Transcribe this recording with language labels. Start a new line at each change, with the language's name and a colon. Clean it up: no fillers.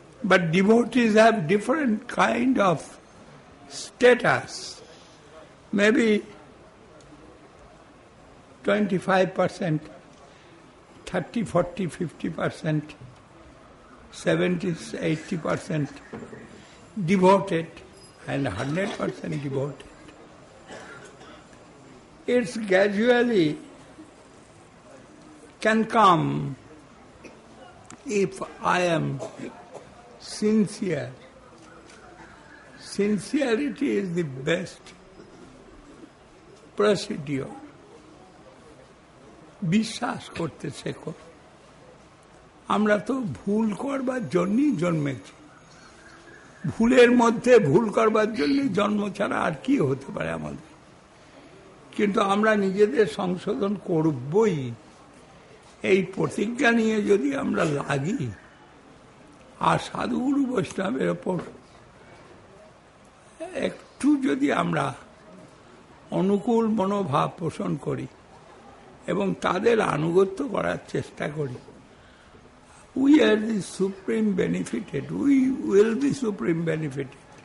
English: But devotees have different kind of status, maybe 25%, 30%, 40%, 50%, 70%, 80% devoted, and 100% devoted. It's gradually can come if I am sincere. Sincerity is the best procedure.
Bangla: বিশ্বাস করতে শেখো। আমরা তো ভুল করবার জন্যই জন্মেছি, ভুলের মধ্যে ভুল করবার জন্য জন্ম ছাড়া আর কি হতে পারে আমাদের? কিন্তু আমরা নিজেদের সংশোধন করবই, এই প্রতিজ্ঞা নিয়ে যদি আমরা লাগি, আর সাধুগুরু বৈষ্ণবের ওপর একটু যদি আমরা অনুকূল মনোভাব পোষণ করি এবং তাদের আনুগত্য করার চেষ্টা করি,
English: we are the supreme benefited,
Bangla: we will the supreme benefited.